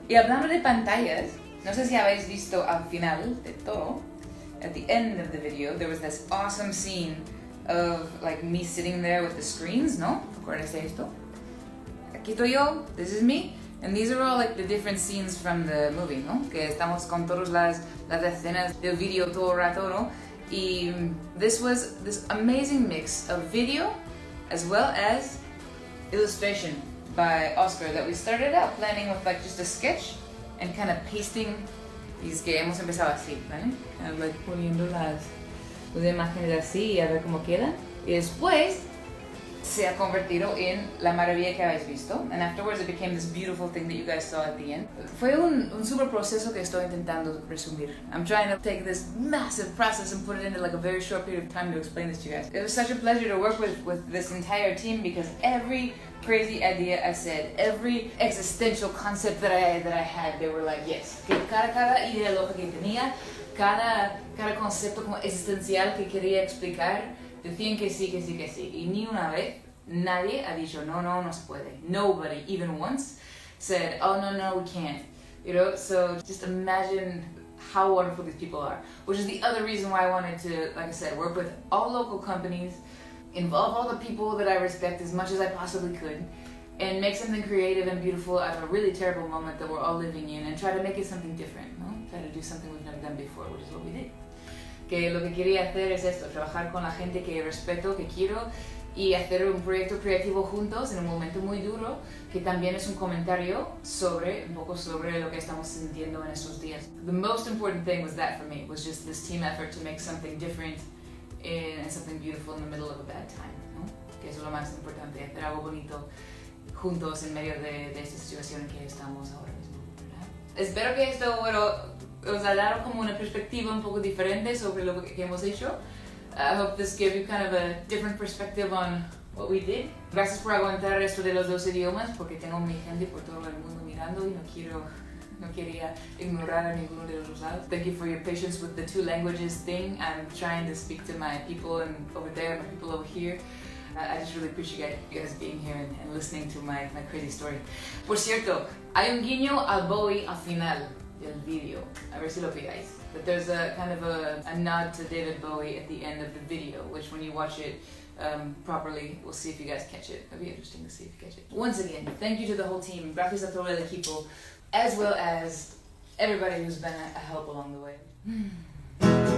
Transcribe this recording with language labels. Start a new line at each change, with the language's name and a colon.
Spanish: Y hablando de pantallas, no sé si habéis visto al final de todo,
English: at the end of the video, there was this awesome scene of like me sitting there with the screens,
Spanish: ¿no? Acuérdense esto. Aquí estoy yo,
English: this is me. And these are all like the different scenes from the movie,
Spanish: ¿no? Que estamos con todas las escenas del video todo el rato, ¿no?
English: Y this was this amazing mix of video as well as illustration by Oscar that we started out planning with like just a sketch and kind of pasting these
Spanish: que hemos empezado así, ¿vale?
English: And like
Spanish: poniendo las imágenes así y a ver cómo queda. Y después se ha convertido en la maravilla que habéis visto.
English: And afterwards it became this beautiful thing that you guys saw at the end.
Spanish: Fue un super proceso que estoy intentando resumir.
English: I'm trying to take this massive process and put it into like a very short period of time to explain this to you guys. It was such a pleasure to work with this entire team because every crazy idea I said, every existential concept that I had, they were like, yes.
Spanish: Que cada idea loca que tenía, cada concepto como existencial que quería explicar, decían que sí, que sí, que sí. Y ni una vez Nadie ha dicho, no, no, no se puede.
English: Nobody, even once, said, oh, no, no, we can't. You know, so just imagine how wonderful these people are, which is the other reason why I wanted to, like I said, work with all local companies, involve all the people that I respect as much as I possibly could, and make something creative and beautiful out of a really terrible moment that we're all living in, and try to make it something different,
Spanish: ¿no?
English: Try to do something we've never done before, which is what we did.
Spanish: Que lo que quería hacer es esto, trabajar con la gente que respeto, que quiero, y hacer un proyecto creativo juntos en un momento muy duro, que también es un comentario sobre, un poco sobre lo que estamos sintiendo en estos días.
English: The most important thing was that for me, was just this team effort to make something different and something beautiful in the middle of a bad time,
Spanish: ¿no? Que es lo más importante, hacer algo bonito juntos en medio de esta situación en que estamos ahora mismo, ¿verdad? Espero que esto, bueno, os haya dado como una perspectiva un poco diferente sobre lo que hemos hecho.
English: I hope this gave you kind of a different perspective on what we did.
Spanish: Gracias por aguantar esto de los dos idiomas, porque tengo mi gente por todo el mundo mirando y no quería ignorar a ninguno de los dos lados.
English: Thank you for your patience with the two languages thing. I'm trying to speak to my people and over there, my people over here. I just really appreciate you guys being here and listening to my crazy story.
Spanish: Por cierto, hay un guiño a Bowie al final del video. A ver si lo pilláis.
English: But there's a kind of a nod to David Bowie at the end of the video, which when you watch it properly, we'll see if you guys catch it. It'll be interesting to see if you catch it. Once again, thank you to the whole team,
Spanish: gracias a todo el equipo,
English: as well as everybody who's been a help along the way.